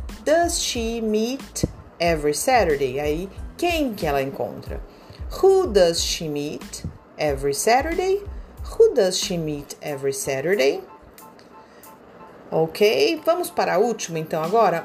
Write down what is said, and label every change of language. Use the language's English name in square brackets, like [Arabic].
[English] Does she meet every Saturday? [Portuguese] Aí, quem que ela encontra? [English] Who does she meet every Saturday? Who does she meet every Saturday? [Portuguese] Ok, vamos para a última então agora.